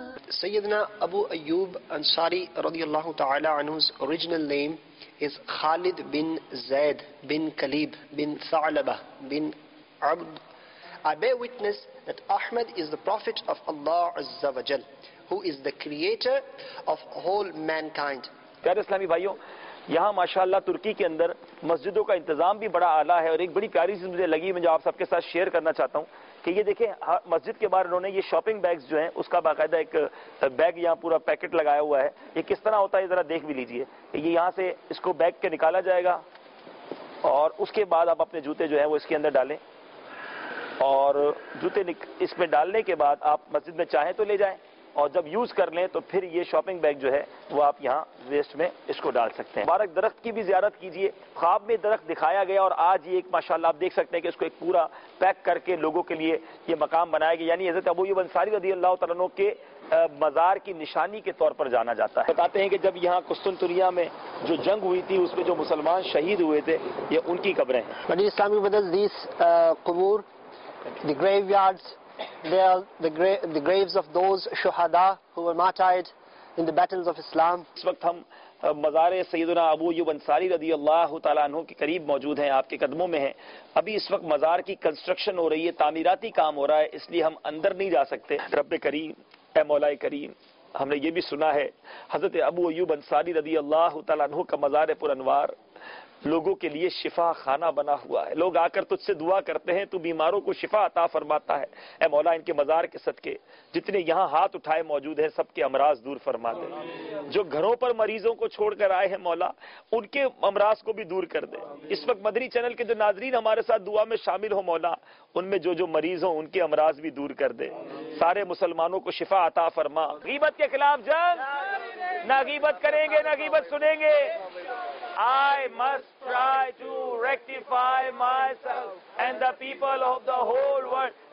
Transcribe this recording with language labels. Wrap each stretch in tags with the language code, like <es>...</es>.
<en>سيدنا Abu Ayyub Ansari رضي الله تعالى عنه's original name is خالد بن زيد بن كليب بن ثعلبه بن عبد. I bear witness that Ahmed is the prophet of Allah Azza wa Jal, who is the creator of whole mankind.</en> <ur>پیارے اسلامی بھائیوں, یہاں ماشاءاللہ ترکی کے اندر مسجدوں کا انتظام بھی بڑا اعلیٰ ہے, اور ایک بڑی پیاری چیز مجھے لگی, میں جو آپ سب کے ساتھ شیئر کرنا چاہتا ہوں کہ یہ دیکھیں مسجد کے باہر انہوں نے یہ شاپنگ بیگز جو ہیں اس کا باقاعدہ ایک بیگ یہاں پورا پیکٹ لگایا ہوا ہے. یہ کس طرح ہوتا ہے ذرا دیکھ بھی لیجئے کہ یہ یہاں سے اس کو بیگ کے نکالا جائے گا, اور اس کے بعد آپ اپنے جوتے جو ہیں وہ اس کے اندر ڈالیں, اور جوتے اس میں ڈالنے کے بعد آپ مسجد میں چاہیں تو لے جائیں, اور جب یوز کر لیں تو پھر یہ شاپنگ بیگ جو ہے وہ آپ یہاں ویسٹ میں اس کو ڈال سکتے ہیں. مبارک درخت کی بھی زیارت کیجئے. خواب میں درخت دکھایا گیا, اور آج یہ ایک ماشاءاللہ آپ دیکھ سکتے ہیں کہ اس کو ایک پورا پیک کر کے لوگوں کے لیے یہ مقام بنایا گیا, یعنی حضرت ابو ایوب انصاری رضی اللہ تعالیٰ عنہ کے مزار کی نشانی کے طور پر جانا جاتا ہے. بتاتے ہیں کہ جب یہاں قسطنطنیہ میں جو جنگ ہوئی تھی اس میں جو مسلمان شہید ہوئے تھے یہ ان کی قبریں ہیں.</ur> <en>They are the graves of those shuhada who were martyred in the battles of Islam.</en> <ur>اس وقت ہم مزار سیدنا ابو ایوب انصاری رضی اللہ تعالیٰ عنہ کے قریب موجود ہیں, آپ کے قدموں میں ہیں. ابھی اس وقت مزار کی کنسٹرکشن ہو رہی ہے, تعمیراتی کام ہو رہا ہے, اس لیے ہم اندر نہیں جا سکتے. رب کریم, اے مولا کریم, ہم نے یہ بھی سنا ہے حضرت ابو ایوب انصاری رضی اللہ تعالیٰ عنہ کا مزار پر انوار لوگوں کے لیے شفا خانہ بنا ہوا ہے. لوگ آ کر تجھ سے دعا کرتے ہیں, تو بیماروں کو شفا عطا فرماتا ہے. اے مولا, ان کے مزار کے صدقے جتنے یہاں ہاتھ اٹھائے موجود ہیں سب کے امراض دور فرما دے. جو گھروں پر مریضوں کو چھوڑ کر آئے ہیں مولا, ان کے امراض کو بھی دور کر دے. اس وقت مدری چینل کے جو ناظرین ہمارے ساتھ دعا میں شامل ہو مولا, ان میں جو جو مریض ہوں ان کے امراض بھی دور کر دے. سارے مسلمانوں کو شفا عطا فرما. غیبت کے خلاف جنگ, نہ غیبت کریں گے نہ غیبت سنیں گے.</ur> <en>I must try to rectify myself and the people of the whole world.</en>